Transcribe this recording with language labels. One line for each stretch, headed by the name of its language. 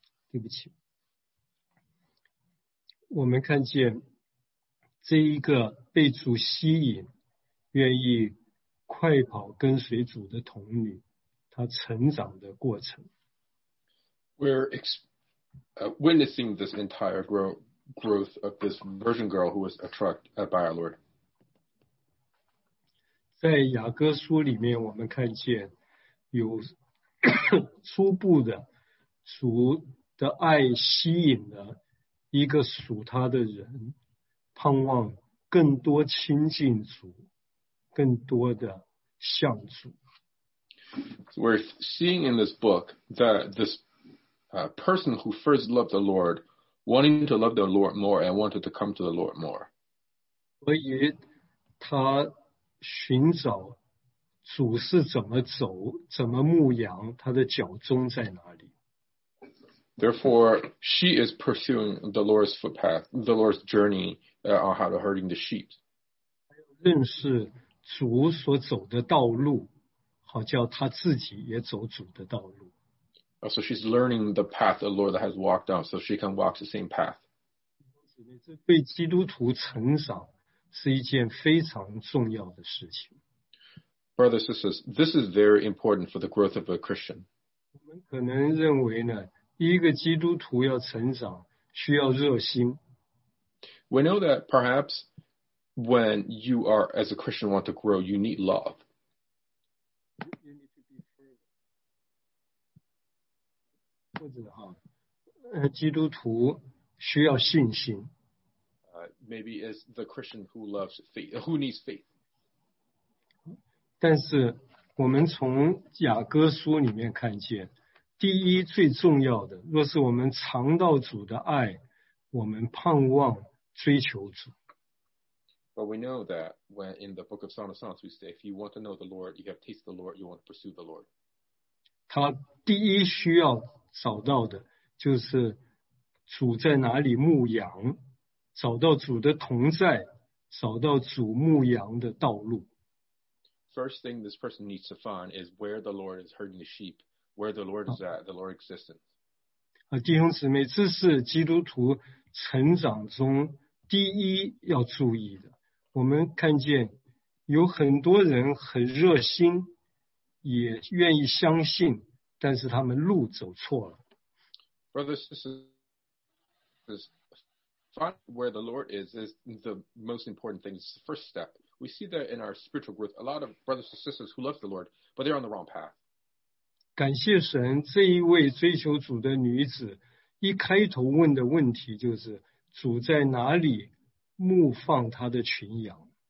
Chinese: 对不起，我们看见这一个被主吸引，愿意快跑跟随主的童女，她成长的过程。
English: We're witnessing this entire growth of this virgin girl who was attracted by our Lord.
Chinese: 在雅各书里面，我们看见有初步的主的爱吸引了一个属他的人，盼望更多亲近主。更多的像主。
English: So we're seeing in this book that this person who first loved the Lord, wanting to love the Lord more and wanted to come to the Lord more.
Chinese: 所以他寻找主是怎么走，怎么牧羊，他的脚踪在哪里。
English: Therefore, she is pursuing the Lord's footpath, the Lord's journey on how to herding the sheep.
Chinese: 认识主所走的道路，好叫他自己也走主的道路。
English: So she's learning the path the Lord has walked down, so she can walk the same path.
Chinese: 这对基督徒成长是一件非常重要的事情。
English: Brothers and sisters, this is very important for the growth of a Christian.
Chinese: 我们可能认为呢，一个基督徒要成长需要热心。
English: We know that perhaps. When you are, as a Christian, want to grow, you need love. You need to be fervent.
Chinese: 或者哈，基督徒需要信心。
English: Maybe it's the Christian who loves faith, who needs faith.
Chinese: 但是我们从雅各书里面看见，第一最重要的，若是我们尝到主的爱，我们盼望追求主。
English: But we know that when in the book of Song of Songs, we say, if you want to know the Lord, you have tasted the Lord, you want to pursue the Lord.
Chinese: 他第一需要找到的就是主在哪里牧羊，找到主的同在，找到主牧羊的道路。
English: First thing this person needs to find is where the Lord is herding the sheep, where the Lord is at, the Lord's existence.
Chinese: 弟兄姊妹，这是基督徒成长中第一要注意的。我们看见有很多人很热心，也愿意相信，但是他们路走错了。
English: Brothers, this is find where the Lord is the most important thing. It's the first step. We see that in our spiritual growth, a lot of brothers and sisters who love the Lord, but they're on the wrong path.
Chinese: 感谢神，这一位追求主的女子一开头问的问题就是主在哪里牧放他的群羊。